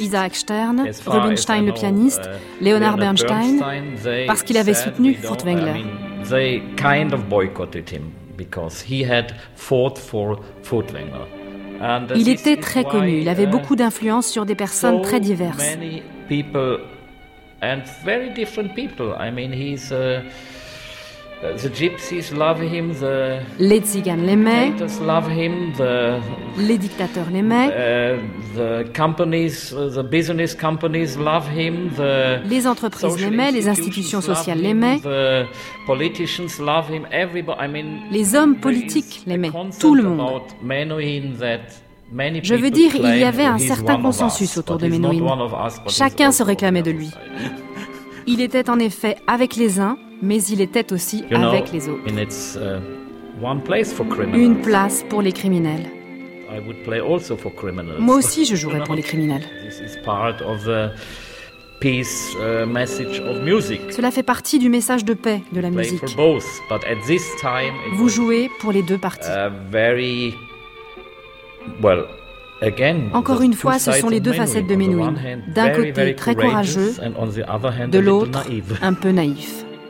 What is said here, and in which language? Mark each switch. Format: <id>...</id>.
<fr>Isaac Stern, Rubinstein le pianiste, Leonard Bernstein, parce qu'il avait soutenu Furtwängler.</fr> <en>They kind of boycotted him because he had fought for Furtwängler.</en> <fr>Il était très connu, il avait beaucoup d'influence sur des personnes so très diverses.</fr> <en>Many people and very different people. I mean, he's the gypsies love him, the</en> <fr>les tziganes l'aimaient.</fr> <en>Dictators love him, the</en> <fr>les dictateurs l'aimaient.</fr> <en>The companies, the business companies love him, the</en> <fr>les entreprises l'aimaient, les institutions sociales l'aimaient.</fr> <en>The politicians love him, everybody. I mean,</en> <fr>les hommes politiques l'aimaient, tout le monde.</fr> <en>About Menuhin that many</en> <fr>Je veux dire, il y avait un certain consensus autour de Menuhin. Chacun se réclamait de lui. Il était en effet avec les uns, mais il était aussi avec les autres.</fr> <en>And it's, one place for criminals.</en> <fr>Une place pour les criminels.</fr> <en>I would play also for criminals.</en> <fr>Moi aussi, je jouerais pour les criminels.</fr> <en>This is part of the peace, message of music.</en> <fr>Cela fait partie du message de paix de la musique.</fr> <en>Play for both, but at this time,</en> <fr>Vous jouez pour les deux parties.</fr> <en>Very well. Again,</en> <fr>Encore une fois, ce sont les deux facettes de Menuhin. D'un côté, très courageux, de l'autre, un peu naïf.</fr>